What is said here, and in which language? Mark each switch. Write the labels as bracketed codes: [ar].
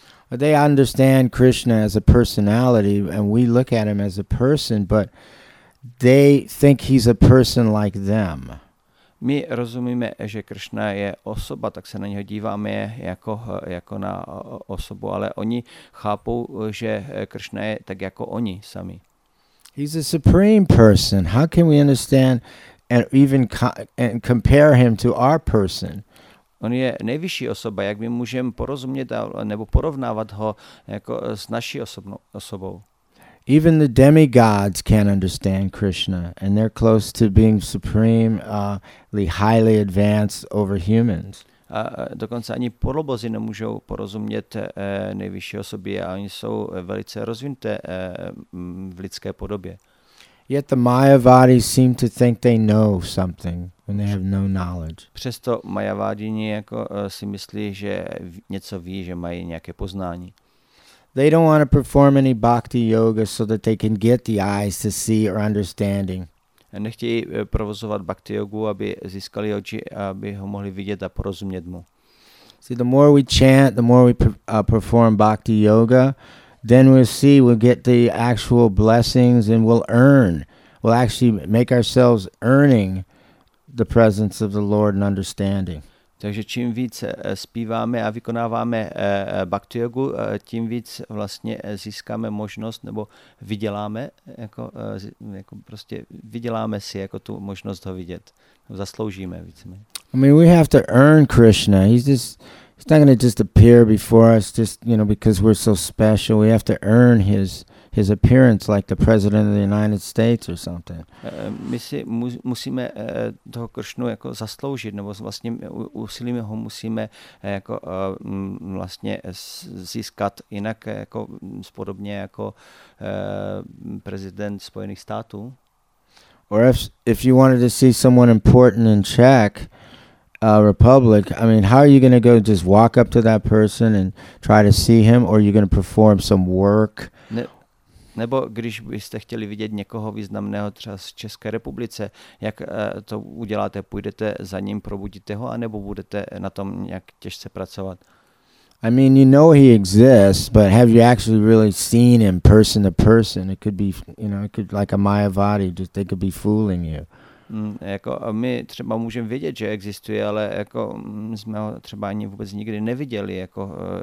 [en] But they understand Krishna as a personality, and we look at him as a person, but they think he's a person like them. [cs] My rozumíme, že Krishna je osoba, tak se na něho díváme jako na osobu, ale oni chápou, že Krishna je tak jako oni sami. [en] He's a supreme person. How can we understand and even and compare him to our person? [cs] On je nejvyšší osoba, jak my můžeme porozumět nebo porovnávat ho jako s naší osobou. [en] Even the demigods can't understand Krishna, and they're close to being supremely highly advanced over humans. [cs] A dokonce ani polobozy nemůžou porozumět nejvyšší osobě, a oni jsou velice rozvinuté v lidské podobě. [en] Yet the Mayavadis seem to think they know something when they have no knowledge. [cs] Přesto Mayavadini jako si myslí, že něco ví, že mají nějaké poznání. [en] They don't want to perform any bhakti yoga so that they can get the eyes to see or understanding. [cs] Nechtějí provozovat bhakti jogu, aby získali oči, aby ho mohli vidět a porozumět mu. [en] See, the more we chant, the more we perform bhakti yoga, then we'll get the actual blessings and we'll earn. We'll actually make ourselves earning the presence of the Lord and understanding. [cs] Takže čím víc zpíváme a vykonáváme bhakti jogu, tím víc vlastně získáme možnost nebo vyděláme jako prostě vyděláme si jako tu možnost ho vidět. Zasloužíme víceméně. [en] I mean, we have to earn Krishna. He's not going to just appear before us just, you know, because we're so special. We have to earn his appearance like the president of the United States or something. [cs] My si musíme toho Kršnu jako zasloužit, nebo vlastně úsilím ho musíme jako vlastně získat jinak jako podobně jako prezident Spojených států. [en] Or if you wanted to see someone important in Czech Republic, I mean, how are you going to go just walk up to that person and try to see him, or are you going to perform some work? [cs] Nebo když byste chtěli vidět někoho významného třeba z České republice, jak to uděláte? Půjdete za ním, probudíte ho, anebo budete na tom nějak těžce pracovat? [en] I mean, you know he exists, but have you actually really seen him person to person? It could be, you know, it could like a Mayavadi, they could be fooling you. [cs] Jako my třeba můžeme vědět, že existuje, ale jako jsme ho třeba ani vůbec nikdy neviděli, jako...